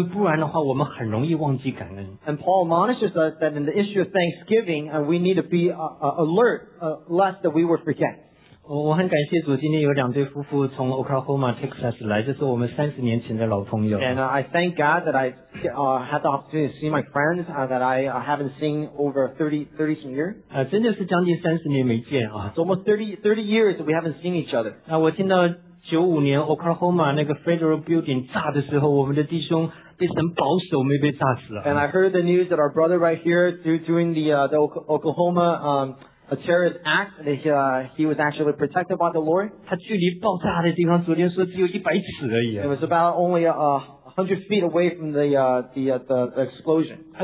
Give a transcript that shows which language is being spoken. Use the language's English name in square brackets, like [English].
[Chinese] 保罗在哥罗西书第4章讲到说，我们连感恩的这件事情都要警醒，因为不然的话，我们很容易忘记感恩。 [English] And Paul admonishes us that in the issue of thanksgiving, and we need to be alert, lest that we would forget. [Chinese] 我很感谢主，今天有两对夫妇从 Oklahoma, Texas 来，这是我们 30年前的老朋友。 [English] And I thank God that I had the opportunity to see my friends that I haven't seen over 30 some years. [Chinese] 真的是将近30年没见啊。 [English] It's almost 30 years that we haven't seen each other. [Chinese] 我听到95年 Oklahoma 那个 Federal Building 炸的时候，我们的弟兄 [English] And I heard the news that our brother right here during the Oklahoma a terrorist act, that he was actually protected by the Lord. [Chinese] 他距离爆炸的地方昨天说只有100尺而已。 [English] It was about only 100 feet away from the explosion.